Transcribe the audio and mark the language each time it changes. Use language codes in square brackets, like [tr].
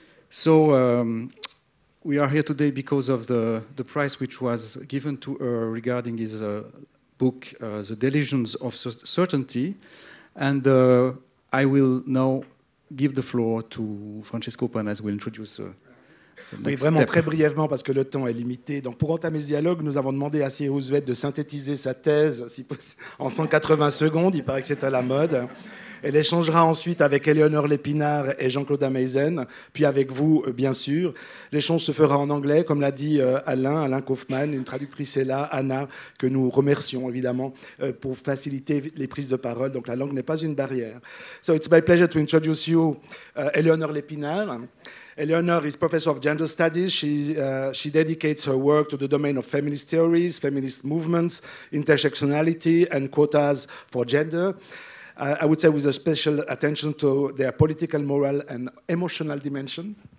[en] So, we are here today because of the prize which was given to her regarding his book, The Delusions of Certainty, and I will now give the floor to Francesco Panese, who will introduce the next [fr] Oui, vraiment [en] step. [fr] Très brièvement, parce que le temps est limité. Donc, pour entamer ce dialogue, nous avons demandé à Siri Hustvedt de synthétiser sa thèse si possible, en 180 secondes. Il paraît que c'est à la mode. Elle échangera ensuite avec Eléonore Lepinard et Jean-Claude Ameisen, puis avec vous, bien sûr. L'échange se fera en anglais, comme l'a dit Alain Kaufmann, une traductrice est là, Anna, que nous remercions, évidemment, pour faciliter les prises de parole. Donc la langue n'est pas une barrière. [en] So it's my pleasure to introduce you, Eléonore Lepinard. Eleonore is professor of gender studies. She dedicates her work to the domain of feminist theories, feminist movements, intersectionality, and quotas for gender. I would say with a special attention to their political, moral, and emotional dimension.